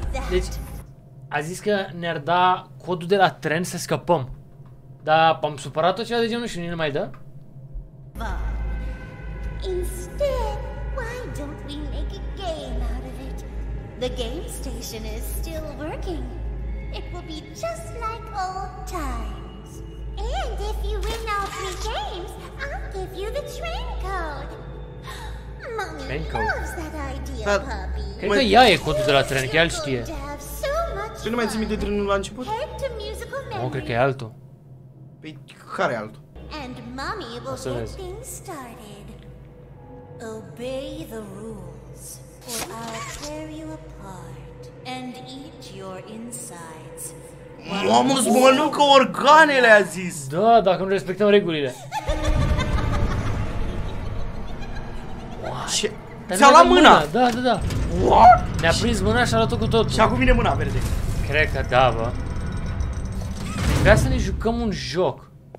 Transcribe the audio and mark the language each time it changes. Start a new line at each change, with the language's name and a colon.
Romanian: Deci, a zis că ne-ar da codul de la tren să scăpăm. Dar am supărat-o ceva de genul și nu ne mai dă?
English: Instead, why don't we make a game out of it? The game station is still working. It will be just like old times. And if you win all three games, I'll give you the train code. Mommy loves that idea, puppy.
Romanian: Cred că ea e codul de la tren, că el știe. Păi nu mai țin minte trenul la început? Nu, cred că e altul. Păi, care e altul?
English: And mommy will get things started. Obey the rules, or I'll tear you apart and eat your insides.
Romanian: Mamă, îți mănâncă organele, a zis! Da, dacă nu respectăm regulile. Ce? Ți-a luat mâna? Da.
English: What?
Romanian: Ne-a prins mâna și a luat-o cu totul. Și acum vine mâna verde. Cred că da, bă. Vrea să ne jucăm un joc.